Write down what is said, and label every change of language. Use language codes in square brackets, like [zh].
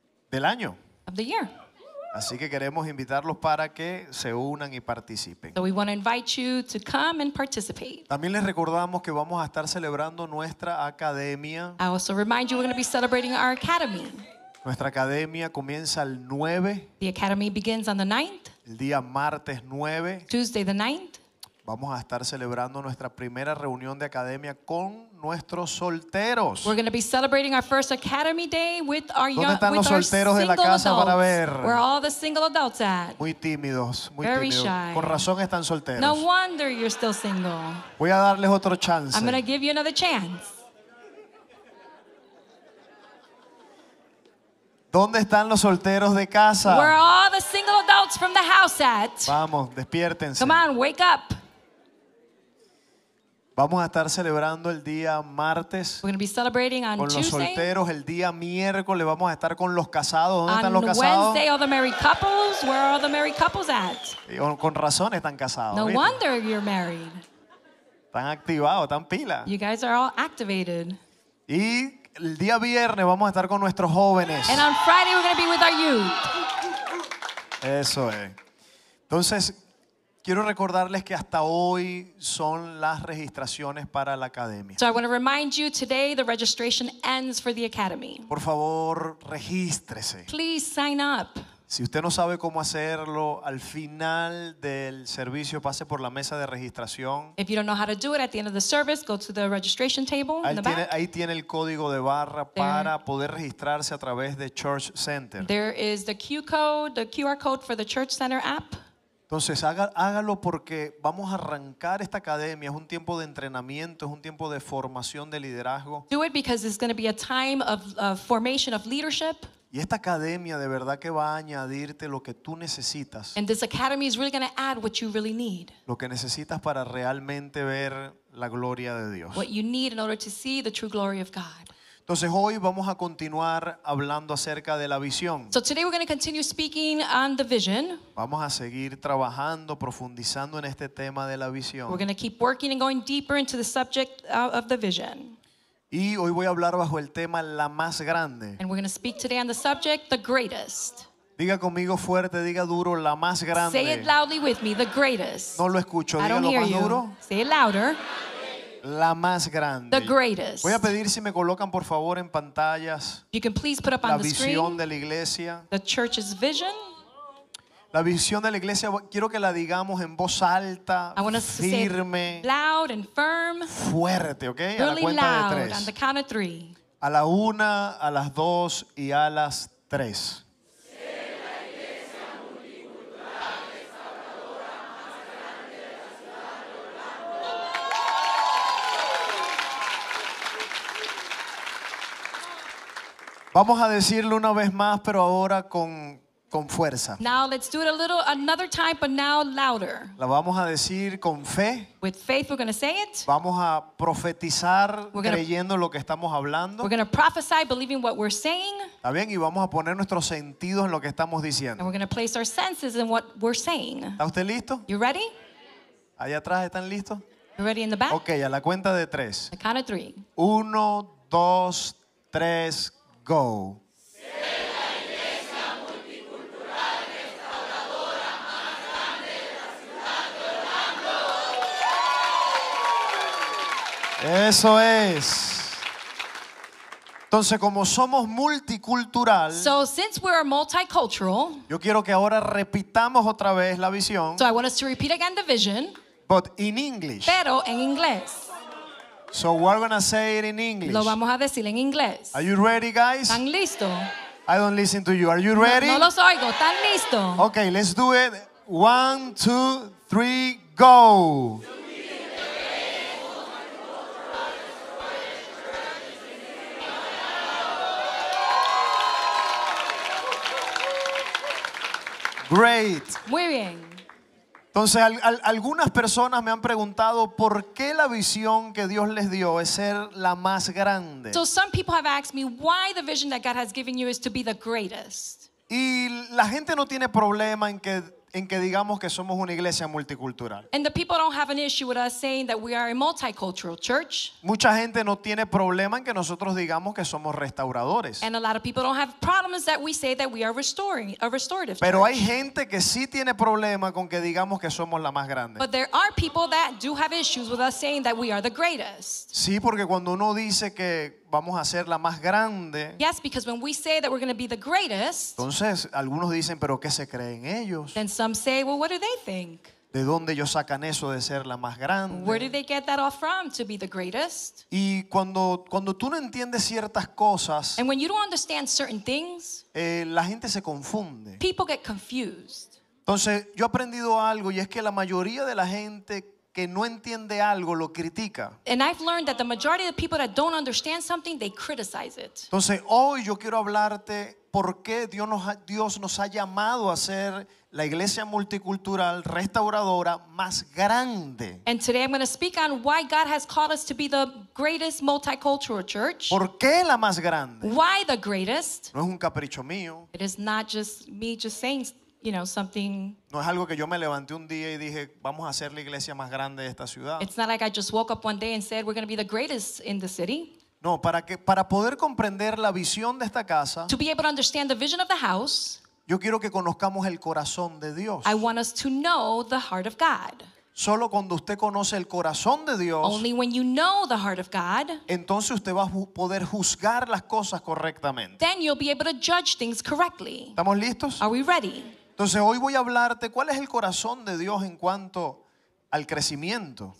[es] Del año. [en] Of the year. [es] Así que queremos invitarlos para que se unan y participen. [en] So we want to invite you to come and participate. [es] También les recordamos que vamos a estar celebrando nuestra academia. [en] I also remind you we're going to be celebrating our academy. [es] Nuestra academia comienza el 9. [en] The academy begins on the 9th. [es] El día martes 9. [en] Tuesday the 9th. [es] Vamos a estar celebrando nuestra primera reunión de academia con nuestros solteros. [en] We're going to be celebrating our first academy day with our young, [es] ¿dónde están [en] with [es] los solteros de la casa [en] adults? [es] Para ver. [en] Where all the single adults at? [es] Muy tímidos, muy [en] very [es] tímidos. [en] Shy. [es] Con razón están solteros. [en] No wonder you're still single. [es] Voy a darles otro chance. [en] I'm going to give you another chance. [es] ¿Dónde están los solteros de casa? [en] Where all the single adults from the house at? [es] Vamos, despiértense. [en] Come on, wake up. [es] Vamos a estar celebrando el día martes. [en] We're going to be celebrating on [es] con [en] Tuesday. [es] Los solteros. El día miércoles vamos a estar con los casados. ¿Dónde [en] on [es] están los [en] Wednesday, [es] casados? [en] Wednesday, all the married couples. Where are all the married couples at? [es] Y con razón están casados. [en] No [es] ¿viste? [en] Wonder you're married. [es] Están activados, están pila. [en] You guys are all activated. [es] Y el día viernes vamos a estar con nuestros jóvenes. [en] And on Friday we're going to be with our youth. [es] Eso es. Entonces, Quiero recordarles que hasta hoy son las registraciones para la academia. [en] So I want to remind you today the registration ends for the academy. [es] Por favor, regístrese. [en] Please sign up. [es] Si usted no sabe cómo hacerlo, al final del servicio pase por la mesa de registración. [en] If you don't know how to do it at the end of the service, go to the registration table in the back. [es] Ahí tiene el código de barra para poder registrarse a través de Church Center. [en] There is the QR code for the Church Center app. [es] Entonces hágalo porque vamos a arrancar esta academia. Es un tiempo de entrenamiento, es un tiempo de formación de liderazgo. [en] Do it because it's going to be a time of formation of leadership. [es] Y esta academia de verdad que va a añadirte lo que tú necesitas. [en] And this academy is really going to add what you really need. [es] Lo que necesitas para realmente ver la gloria de Dios. [en] What you need in order to see the true glory of God. [es] Entonces hoy vamos a continuar hablando acerca de la visión. [en] So today we're going to continue speaking on the vision. [es] Vamos a seguir trabajando, profundizando en este tema de la visión. [en] We're going to keep working and going deeper into the subject of the vision. [es] Y hoy voy a hablar bajo el tema la más grande. [en] And we're going to speak today on the subject the greatest. [es] Diga conmigo fuerte, diga duro, la más grande. [en] Say it loudly with me, the greatest. [es] No lo escucho, dígalo más duro. [en] Say it louder. [es] La más grande. [en] The greatest. [es] Voy a pedir si me colocan por favor en pantallas. [en] You can please put up on the screen. [es] La visión de la iglesia. [en] The church's vision. [es] La visión de la iglesia, quiero que la digamos en voz alta, firme, [en] loud and firm, [es] fuerte, ¿ok? [en] Really [es] a la cuenta [en] loud, [es] de tres. [en] On the count of three. [es] A la una, a las dos y a las tres. Vamos a decirlo una vez más, pero ahora con fuerza. [en] Now let's do it another time, but now louder. [es] La vamos a decir con fe. [en] With faith, we're going to say it. [es] Vamos a profetizar creyendo lo que estamos hablando. [en] We're going to prophesy, believing what we're saying. [es] Está bien, y vamos a poner nuestros sentidos en lo que estamos diciendo. [en] And we're going to place our senses in what we're saying. [es] ¿Está usted listo? [en] You ready? [es] Allá atrás, ¿están listos? [en] You ready in the back? [es] Okay, a la cuenta de tres. [en] The count of three. [es] Uno, dos, tres. Go. Eso es. Entonces, como somos multicultural, [en] so since we are multicultural, [es] yo quiero que ahora repitamos otra vez la visión. [en] So I want us to repeat again the vision. But in English. [es] Pero en inglés. [en] So we're going to say it in English. [es] Lo vamos a decir en inglés. [en] Are you ready, guys? [es] ¿Están listo? [en] I don't listen to you. Are you ready? [es] No, no los oigo. ¿Están listo? [en] Okay, let's do it. One, two, three, go. Great. [es] Muy bien. Entonces, algunas personas me han preguntado por qué la visión que Dios les dio es ser la más grande. [en] So some people have asked me why the vision that God has given you is to be the greatest. [es] Y la gente no tiene problema en que digamos que somos una iglesia multicultural. [en] And the people don't have an issue with us saying that we are a multicultural church. [es] Mucha gente no tiene problema en que nosotros digamos que somos restauradores. [en] And a lot of people don't have problems that we say that we are restoring, a restorative church. [es] Pero hay gente que sí tiene problema con que digamos que somos la más grande. [en] But there are people that do have issues with us saying that we are the greatest. [es] Sí, porque cuando uno dice que vamos a ser la más grande. [en] Yes, because when we say that we're going to be the greatest. [es] Entonces, algunos dicen, ¿pero qué se creen ellos? [en] Then some say, well, what do they think? [es] ¿De dónde ellos sacan eso de ser la más grande? [en] Where do they get that all from, to be the greatest? [es] Y cuando tú no entiendes ciertas cosas. [en] And when you don't understand certain things. [es] La gente se confunde. [en] People get confused. [es] Entonces, yo he aprendido algo, y es que la mayoría de la gente que no entiende algo lo critica. [en] And I've learned that the majority of the people that don't understand something, they criticize it. [es] Entonces, hoy yo quiero hablarte por qué Dios nos ha llamado a ser la iglesia multicultural restauradora más grande. [en] And today I'm going to speak on why God has called us to be the greatest multicultural church. [es] ¿Por qué la más grande? [en] Why the greatest? [es] No es un capricho mío. [en] It is not just me just saying, you know, something. [es] No es algo que yo me levanté un día y dije, vamos a hacer la iglesia más grande de esta ciudad. [en] It's not like I just woke up one day and said we're going to be the greatest in the city. [es] No, para poder comprender la visión de esta casa. [en] To be able to understand the vision of the house. [es] Yo quiero que conozcamos el corazón de Dios. [en] I want us to know the heart of God. [es] Solo cuando usted conoce el corazón de Dios, [en] only when you know the heart of God, [es] entonces usted va a poder juzgar las cosas correctamente. [en] Then you'll be able to judge things correctly. [es] ¿Estamos listos? [en] Are we ready? [es] Entonces hoy voy a hablarte cuál es el corazón de Dios en cuanto al crecimiento.